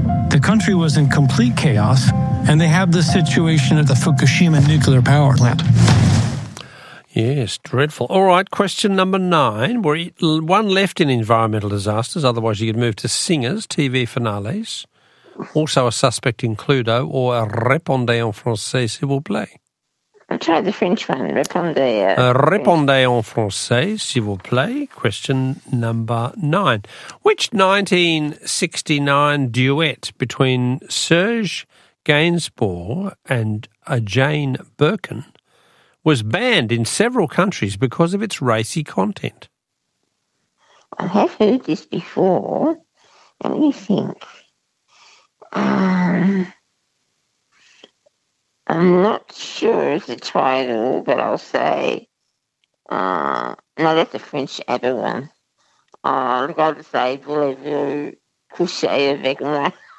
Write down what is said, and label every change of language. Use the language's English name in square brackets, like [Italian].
[English] The country was in complete chaos, and they have the situation at the Fukushima nuclear power plant. Yes, dreadful. All right, question number nine. We're one left in environmental disasters, otherwise you could move to singers, TV finales. Also a suspect in Cluedo or a répondez en français, s'il vous plaît. I'll try the French one, répondez. [French] Répondez en français, s'il vous plaît. Question number nine. [English] Which 1969 duet between Serge Gainsbourg and Jane Birkin was banned in several countries because of its racy content? I have heard this before. Let me think. I'm not sure of the title, but I'll say, no, that's a French ABBA one. I've got to say, Voulez-vous coucher avec moi?